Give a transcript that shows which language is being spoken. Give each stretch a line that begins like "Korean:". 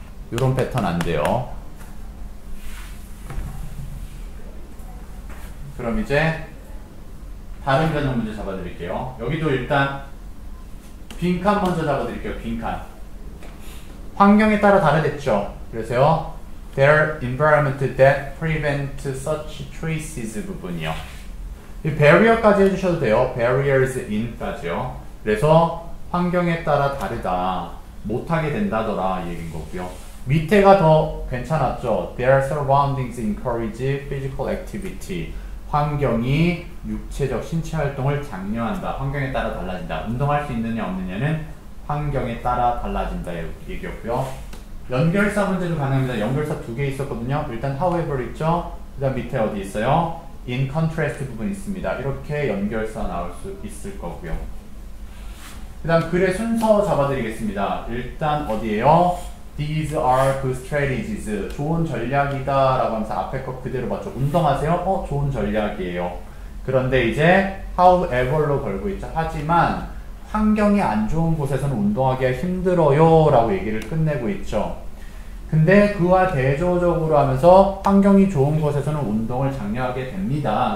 Korean: 이런 패턴 안 돼요. 그럼 이제 다른 변형 문제 잡아드릴게요. 여기도 일단 빈칸 먼저 잡아드릴게요. 빈칸. 환경에 따라 다르겠죠. 그래서요.
English: Their environment that prevent such traces
Korean: 부분이요. 이 barrier까지 해주셔도 돼요.
English: Barriers in까지요.
Korean: 그래서 환경에 따라 다르다. 못하게 된다더라 이 얘기인 거고요. 밑에가 더 괜찮았죠.
English: Their surroundings encourage physical activity.
Korean: 환경이 육체적 신체 활동을 장려한다. 환경에 따라 달라진다. 운동할 수 있느냐 없느냐는 환경에 따라 달라진다 얘기였고요. 연결사 문제도 가능합니다. 연결사 두 개 있었거든요. 일단 however 있죠. 그 다음 밑에 어디 있어요?
English: In contrast
Korean: 부분 있습니다. 이렇게 연결사 나올 수 있을 거고요. 그 다음 글의 순서 잡아드리겠습니다. 일단 어디예요?
English: These are good strategies.
Korean: 좋은 전략이다 라고 하면서 앞에 거 그대로 맞죠. 운동하세요? 좋은 전략이에요. 그런데 이제 however로 걸고 있죠. 하지만 환경이 안 좋은 곳에서는 운동하기가 힘들어요 라고 얘기를 끝내고 있죠. 근데 그와 대조적으로 하면서 환경이 좋은 곳에서는 운동을 장려하게 됩니다.